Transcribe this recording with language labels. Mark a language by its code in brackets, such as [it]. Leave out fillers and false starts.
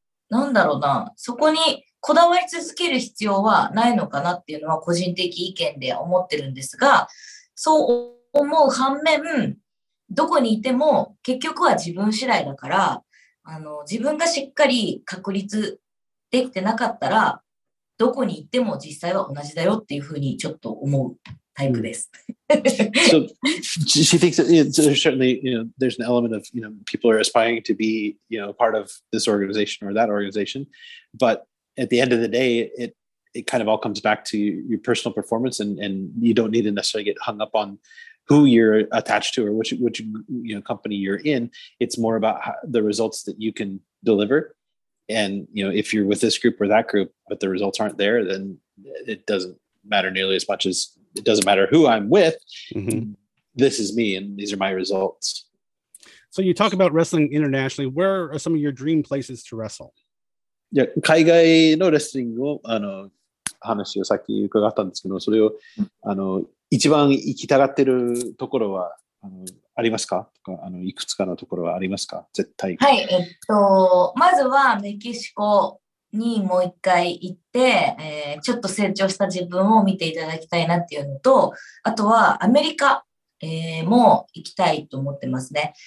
[ja] なんだろうな、そこにこだわり続ける必要はないのかなっていうのは個人的意見で思ってるんですが、そう思う反面、どこにいても結局は自分次第だから、あの自分がしっかり確立できてなかったらどこに行っても実際は同じだよっていうふうにちょっと思うタイプです。 [en] So she thinks that, you know, certainly, you know, there's an element of, you know, people are aspiring to be, you know, part of this organization or that organization, but at the end of the day, it kind of all comes back to your personal performance, and you don't need to necessarily get hung up on who you're attached to or which you know company you're in. It's more about the results that you can deliver. And you know, if you're with this group or that group, but the results aren't there, then it doesn't matter nearly as much as it doesn't matter who I'm with. Mm-hmm. This is me and these are my results. So you talk about wrestling internationally. Where are some of your dream places to wrestle? [ja] Yeah, 海外のレスリングをあの話をさっき伺ったんですけど、それをあの一番行きたがってるところはあのありますか？とかあのいくつかのところはありますか？絶対。はい、まずはメキシコにもう一回行って、ちょっと成長した自分を見ていただきたいなっていうのと、あとはアメリカ、も行きたいと思ってますね。